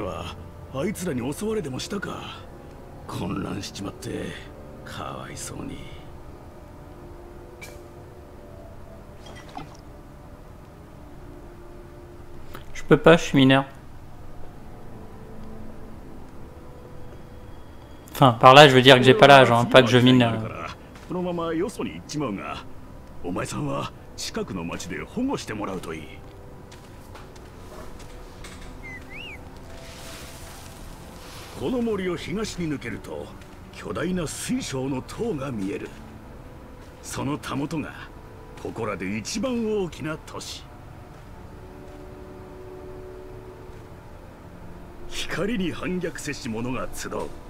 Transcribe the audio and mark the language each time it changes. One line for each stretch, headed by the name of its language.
Japanese: 世界から闇という闇が失われて、もう100年も経ってばさ。ん?どうした?まるで本当にわからないって顔じゃないか。さては、あいつらに襲われでもしたか?混乱しちまって、かわいそうに。
French: Je peux pas, je suis mineur. Enfin, par là, je veux dire que j'ai pas l'âge, hein, pas que je mine.
Japanese: このままよそに行っちまうが、お前さんは近くの町で保護してもらうといい。この森を東に抜けると巨大な水晶の塔が見える。その袂がここらで一番大きな都市。光に反逆せし者が集う。